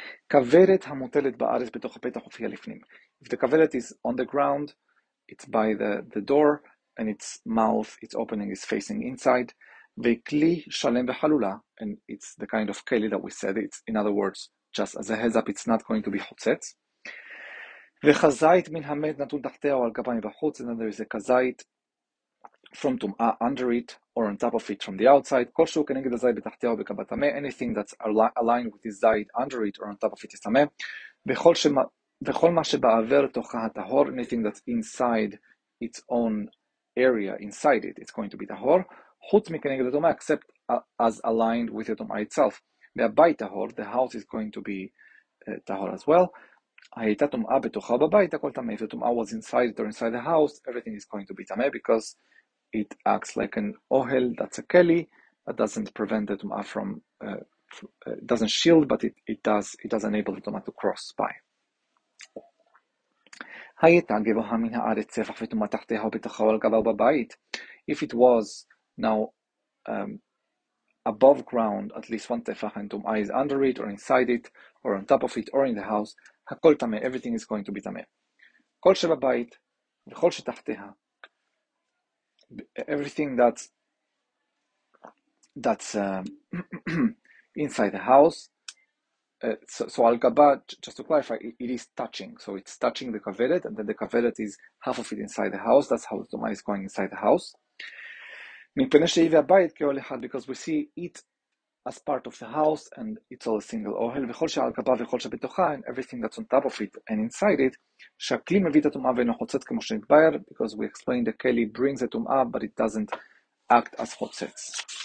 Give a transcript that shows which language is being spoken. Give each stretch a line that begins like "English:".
Hebrew: כוורת המוטלת בארץ בתוך הפתח הופיעה לפנים.
English: If the kaveret is on the ground, it's by the door, and its mouth, its opening is facing inside.
Hebrew: וכלי שלם וחלולה,
English: and it's the kind of keli that we said, it's in other words, just as a heads up, it's not going to be חוצץ.
Hebrew: וכזית מן המת נתון תחתיה או על גבה מבחוץ,
English: and then there is a כזית from טומאה under it, or on top of it from the outside,
Hebrew: כלשהו כנגד הזית בתחתיה או בגבה טמא,
English: anything that's aligned with this זית under it, or on top of it is טמא,
Hebrew: וכל מה שבעבר תוכה הטהור,
English: anything that's inside its own area, inside it, it's going to be טהור,
Hebrew: חוץ מכנגד הטומאה,
English: except as aligned with the טומאה itself.
Hebrew: והבית טהור,
English: the house is going to be טהור as well.
Hebrew: הייתה טומאה בתוכה בבית, הכל טמא.
English: If the טומאה was inside it or inside the house, everything is going to be טמא, because it acts like an ohel, that's a keli, that doesn't prevent the טומאה from, doesn't shield, but it does enable the טומאה to cross by.
Hebrew: הייתה גבוהה מן הארץ צפח וטומאה תחתיה ובתוכה על גבה בבית.
English: If it was, now, above ground, at least one tefach, and tum'ah is under it, or inside it, or on top of it, or in the house,
Hebrew: hakol tameh,
English: everything is going to be tameh.
Hebrew: Kol sheba bayit, v'chol shetachteha,
English: everything that's inside the house, so al gabah, just to clarify, it is touching, so it's touching the kaveret, and then the kaveret is half of it inside the house, that's how the tum'ah is going inside the house.
Hebrew: מפני שהיא והבית כאוהל אחד,
English: because we see it as part of the house, and it's all a single אוהל,
Hebrew: וכל שעל גבה וכל שבתוכה,
English: and everything that's on top of it, and inside it,
Hebrew: שהכלי מביא את הטומאה ואינו חוצץ כמו שנתבאר,
English: because we explained the keli brings the טומאה, but it doesn't act as חוצץ.